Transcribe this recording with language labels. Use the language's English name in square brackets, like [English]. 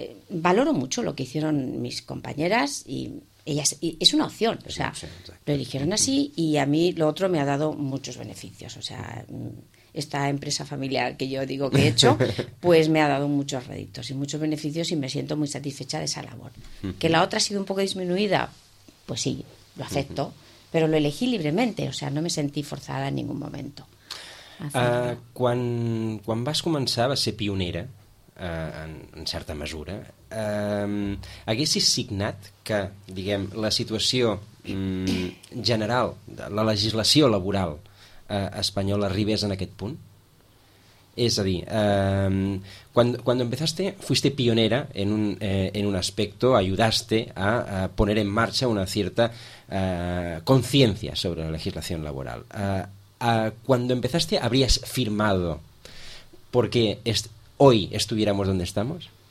[Spanish] Valoro mucho lo que hicieron mis compañeras y ellas, y es una opción, o sea, lo eligieron así y a mí lo otro me ha dado muchos beneficios, o sea, esta empresa familiar que yo digo que he hecho, pues me ha dado muchos réditos y muchos beneficios y me siento muy satisfecha de esa labor. ¿Que la otra ha sido un poco disminuida? Pues sí, lo acepto, pero lo elegí libremente, o sea, no me sentí forzada en ningún momento. [Catalan] Quan vas començar a ser pionera, en certa mesura, haguessis signat que, diguem, la situació general, la legislació laboral espanyola arribés en aquest punt? És a dir, [Spanish] cuando empezaste, fuiste pionera en un aspecto, ayudaste a poner en marcha una cierta conciencia sobre la legislación laboral. Cuando empezaste, ¿habrías firmado porque hoy estuviéramos donde estamos?